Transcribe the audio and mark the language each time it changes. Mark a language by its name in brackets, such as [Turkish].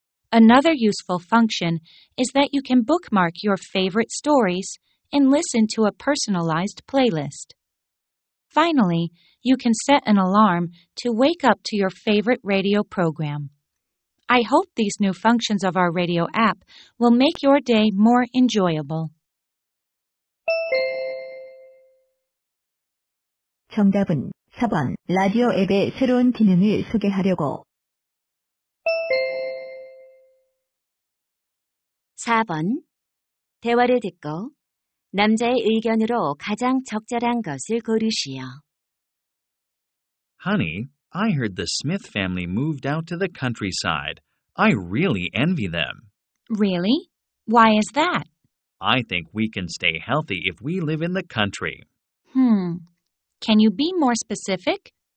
[English] Another useful function is that you can bookmark your favorite stories and listen to a personalized playlist. Finally, you can set an alarm to wake up to your favorite radio program. I hope these new functions of our radio app will make your day more enjoyable. [Korean] 정답은 4번 라디오 앱의 새로운 기능을 소개하려고. 4번 대화를 듣고 남자의 의견으로 가장 적절한 것을 고르시오. [English] Honey, I heard the Smith family moved out to the countryside. I really envy them. Really? Why is that? I think we can stay healthy if we live in the country. Can you be more specific?